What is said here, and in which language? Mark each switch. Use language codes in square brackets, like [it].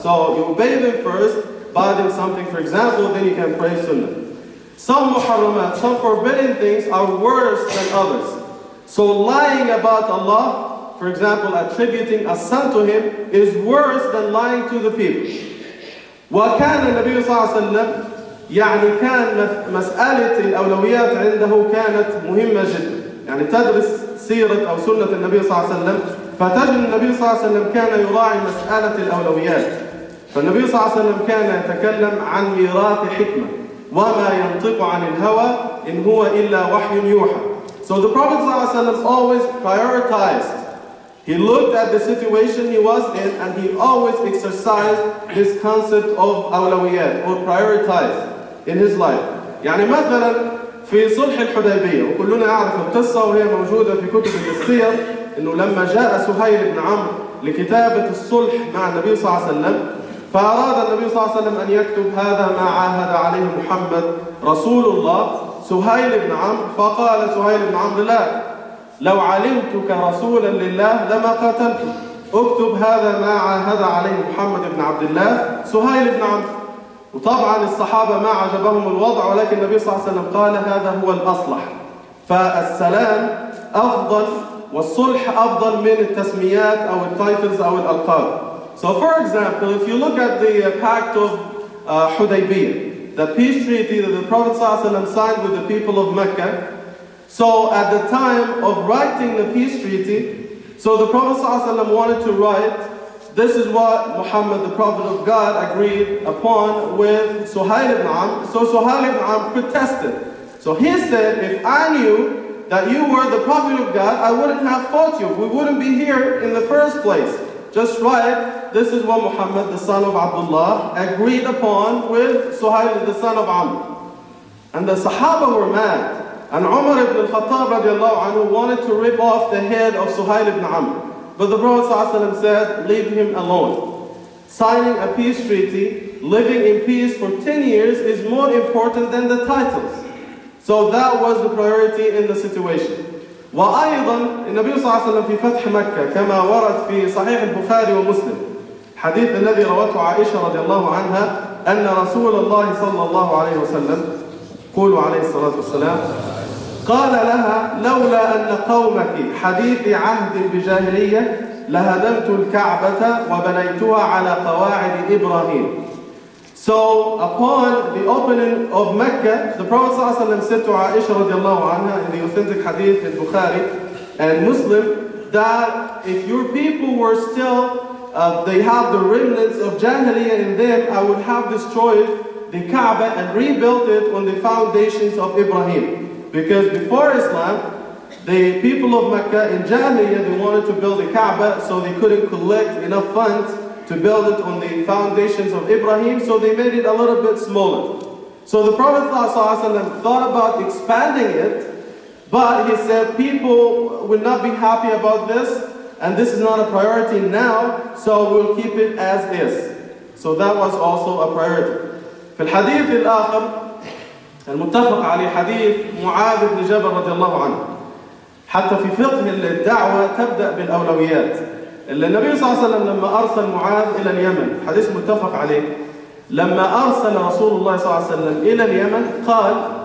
[en] So you obey them first, buy them something, for example, then you can pray sunnah. Some muharramat, some forbidden things are worse than others. So lying about Allah, for example, attributing a son to Him, is worse than lying to the people. [ar] وكان النبي صلى الله عليه وسلم يعني كان مسألة الأولويات عنده كانت مهمة جدا. يعني تدرس سيرة أو سنة النبي صلى الله عليه وسلم فتجد النبي صلى الله عليه وسلم كان يراعي مسألة الأولويات. فالنبي صلى الله عليه وسلم كان يتكلم عن ميراث حكمة وما ينطق عن الهوى إن هو إلا وحي يوحى. [en] So the Prophet صلى الله عليه وسلم always prioritized. He looked at the situation he was in and he always exercised this concept of أولويات or prioritized in his life. [ar] يعني مثلا في صلح الحديبية وكلنا أعرف القصة وهي موجودة في كتب السير إنه لما جاء سهيل بن عمرو لكتابة الصلح مع النبي صلى الله عليه وسلم فأراد النبي صلى الله عليه وسلم أن يكتب هذا ما عاهد عليه محمد رسول الله سهيل بن عمرو فقال سهيل بن عمرو لا لو علمتك رسولا لله لما قاتلت اكتب هذا ما عاهد عليه محمد بن عبد الله سهيل بن عمرو. وطبعا الصحابة ما عجبهم الوضع ولكن النبي صلى الله عليه وسلم قال هذا هو الأصلح. فالسلام أفضل والصلح أفضل من التسميات أو التايتلز أو الألقاب. [en] So for example, if you look at the pact of Hudaybiyah, the peace treaty that the Prophet ﷺ signed with the people of Mecca, so at the time of writing the peace treaty, so the Prophet ﷺ wanted to write, this is what Muhammad, the Prophet of God, agreed upon with Suhail ibn Amr. So Suhail ibn Amr protested. So he said, if I knew that you were the Prophet of God, I wouldn't have fought you. We wouldn't be here in the first place. Just write, this is what Muhammad, the son of Abdullah, agreed upon with Suhail, the son of Amr. And the Sahaba were mad. And Umar ibn Khattab, radiallahu anhu, wanted to rip off the head of Suhail ibn Amr. But the Prophet sallallahu alayhi wa sallam said, leave him alone. Signing a peace treaty, living in peace for 10 years, is more important than the titles. So that was the priority in the situation. [ar] وأيضا النبي صلى الله عليه وسلم في فتح مكة كما ورد في صحيح البخاري ومسلم حديث الذي روته عائشة رضي الله عنها أن رسول الله صلى الله عليه وسلم قولوا عليه الصلاة والسلام قال لها لولا أن قومك حديث عهد بجاهلية لهدمت الكعبة وبنيتها على قواعد إبراهيم. [en] So upon the opening of Mecca, the Prophet ﷺ said to Aisha radiallahu anha in the authentic hadith in Bukhari and Muslim that if your people were still, they have the remnants of Jahiliyyah in them, I would have destroyed the Kaaba and rebuilt it on the foundations of Ibrahim. Because before Islam, the people of Mecca in Jahiliyyah, they wanted to build a Kaaba so they couldn't collect enough funds to build it on the foundations of Ibrahim, so they made it a little bit smaller. So the Prophet ﷺ thought about expanding it, but he said, people will not be happy about this, and this is not a priority now, so we'll keep it as is. So that was also a priority. [ar] في الحديث الآخر المتفق عليه حديث معاذ بن جبل رضي الله عنه حتى في فقه الدعوة تبدأ بالأولويات. النبي صلى الله عليه وسلم لما أرسل معاذ إلى اليمن حديث متفق عليه لما أرسل رسول الله صلى الله عليه وسلم إلى اليمن قال